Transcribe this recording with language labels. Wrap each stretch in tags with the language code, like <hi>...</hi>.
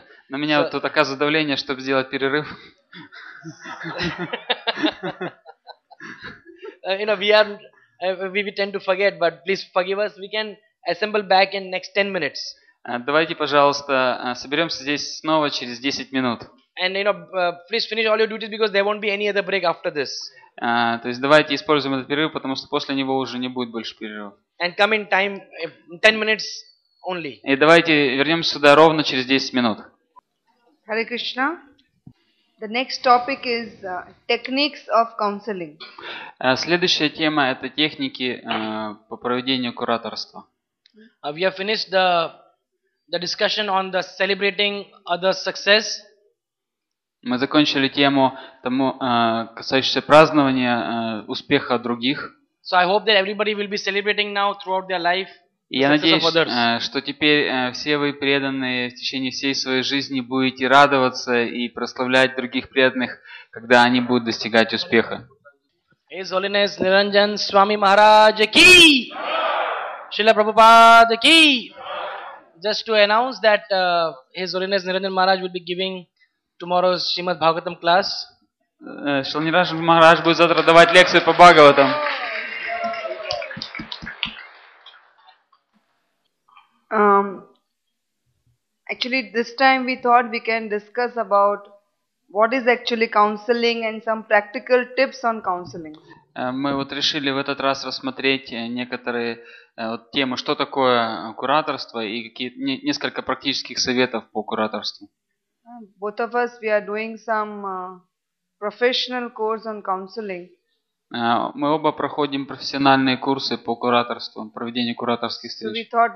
<ru>На меня вот тут оказывается давление, чтобы сделать перерыв.</ru> <en>You know, we tend to forget, but please forgive us. We can assemble back in next 10 minutes.</en> <ru>Давайте, пожалуйста, соберемся здесь снова через 10 минут.</ru> <en>And you know, please finish all your duties because there won't be any other break after this.</en> <ru>То есть давайте используем этот перерыв, потому что после него уже не будет больше перерыва.</ru> <en>And come in time, 10 minutes only.</en> <ru>И давайте вернемся сюда ровно через 10 минут.</ru> <en>Hare Krishna. The next topic is techniques of counseling.</en> <ru>Следующая тема это техники по проведению кураторства.</ru> <en>We have finished the discussion on the celebrating others' success.</en> <ru>Мы закончили тему тому, касающуюся празднования успеха других.</ru> <en>So I hope that everybody will be celebrating now throughout their life.</en> <ru>Я надеюсь, что теперь все вы преданные в течение всей своей жизни будете радоваться и прославлять других преданных, когда они будут достигать успеха.</ru> <en>His Holiness Niranjan Swami Maharaj ki! Srila Prabhupada ki! Just to announce that His Holiness Niranjan Maharaj will be giving tomorrow's Srimad Bhagavatam class.</en> <ru>Srila Niranjan Maharaj будет завтра давать лекцию по Бхагаватам.</ru> <en>Actually, this time we thought we can discuss about what is actually counseling and some practical tips on counseling.</en> <ru>Мы вот решили в этот раз рассмотреть некоторые вот темы, что такое кураторство и какие несколько практических советов по кураторству.</ru> <en>Both of us, we are doing some professional course on counseling.</en> <ru>Мы оба проходим профессиональные курсы по кураторству, проведению кураторских встреч.</ru>